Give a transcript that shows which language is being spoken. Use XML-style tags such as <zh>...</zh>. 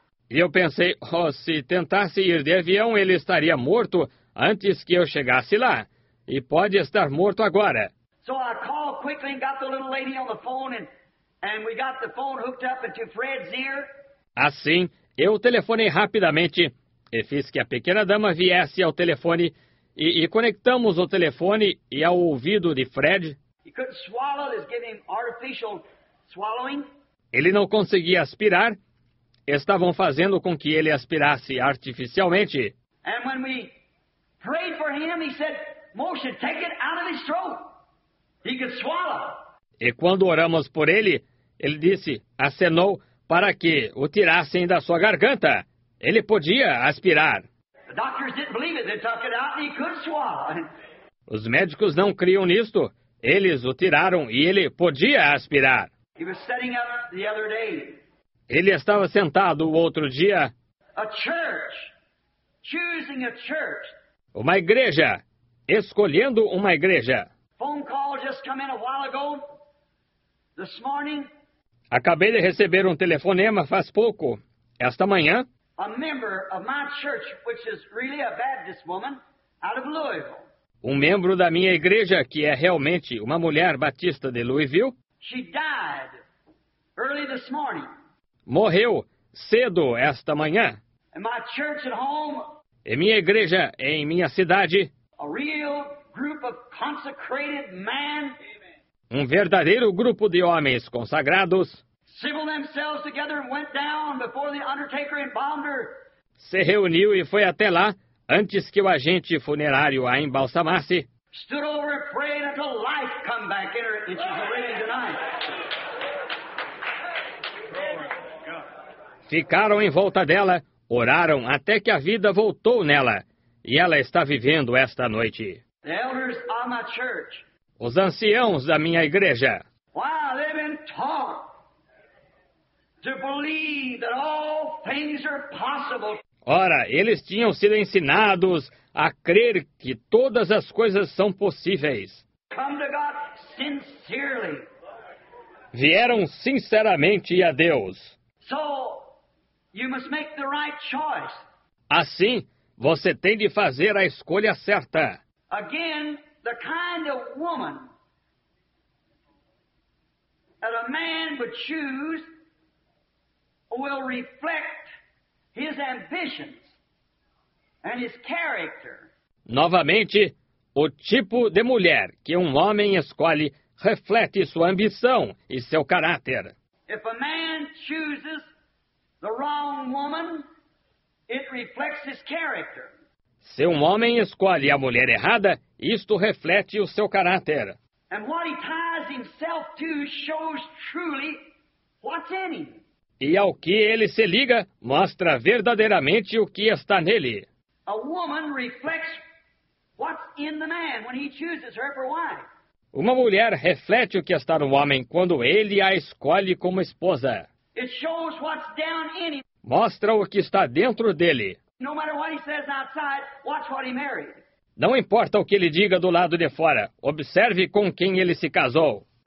<pt>E eu pensei, se tentasse ir de avião, ele estaria morto antes que eu chegasse lá. E pode estar morto agora.</pt> <en>So I called quickly and got the little lady on the phone and we got the phone hooked up into Fred's ear.</en> <pt>Assim, eu telefonei rapidamente e fiz que a pequena dama viesse ao telefone e conectamos o telefone e ao ouvido de Fred.</pt> <en>He couldn't swallow, it's giving him artificial swallowing.</en> <pt>Ele não conseguia aspirar. Estavam fazendo com que ele aspirasse artificialmente.</pt> <en>And when we prayed for him, he said, "Moshe, take it out of his throat." He could swallow.</en> <pt>E quando oramos por ele, ele disse, acenou para que o tirassem da sua garganta. Ele podia aspirar.</pt> <en>The doctors didn't believe it. They took it out and he could swallow.</en> <pt>Os médicos não criam nisto. Eles o tiraram e ele podia aspirar.</pt> <en>He was setting up the other day.</en> <pt>Ele estava sentado o outro dia.</pt> <en>A church. Choosing a church.</en> <pt>Uma igreja. Escolhendo uma igreja.</pt> <en>Phone call just come in a while ago, this morning.</en> <pt>Acabei de receber um telefonema faz pouco, esta manhã.</pt> <en>A member of my church, which is really a Baptist woman, out of Louisville.</en> <pt>Um membro da minha igreja, que é realmente uma mulher batista de Louisville.</pt> <en>She died early this morning.</en> <pt>Morreu cedo esta manhã.</pt> <en>And my church at home.</en> <pt>E minha igreja em minha cidade.</pt> <en>A real group of consecrated men.</en> <pt>Um verdadeiro grupo de homens consagrados.</pt> <en>Civil themselves together and went down before the undertaker embalmed her.</en> <pt>Se reuniu e foi até lá antes que o agente funerário a embalsamasse.</pt> <en>Stood over and prayed until life come back in her and she's raised tonight.</en> <pt>Ficaram em volta dela, oraram até que a vida voltou nela e ela está vivendo esta noite.</pt> <en>The elders of my church.</en> <pt>Os anciãos da minha igreja.</pt> <en>Wow, they've been taught to believe that all things are possible.</en> <pt>Ora, eles tinham sido ensinados a crer que todas as coisas são possíveis.</pt> <en>Come to God sincerely.</en> <pt>Vieram sinceramente a Deus.</pt> <en>So, you must make the right choice.</en> <pt>Assim, você tem de fazer a escolha certa.</pt> <en>Again, the kind of woman that a man would choose will reflect his ambitions and his character.</en> <pt>Novamente, o tipo de mulher que um homem escolhe reflete sua ambição e seu caráter.</pt> <en>If a man chooses the wrong woman, it reflects his character.</en> <pt>Se um homem escolhe a mulher errada, isto reflete o seu caráter.</pt> <en>And what he ties himself to shows truly what's in him.</en> <pt>e ao que ele se liga mostra verdadeiramente o que está nele.</pt> <en>A woman reflects what's in the man when he chooses her for wife.</en> <pt>Uma mulher reflete o que está no homem quando ele a escolhe como esposa.</pt> <en>It shows what's down in him.</en> <pt>Mostra o que está dentro dele.</pt> <en>No matter what he says outside, watch what he married.</en> <pt>Não importa o que ele diga do lado de fora, observe com quem ele se casou.</pt>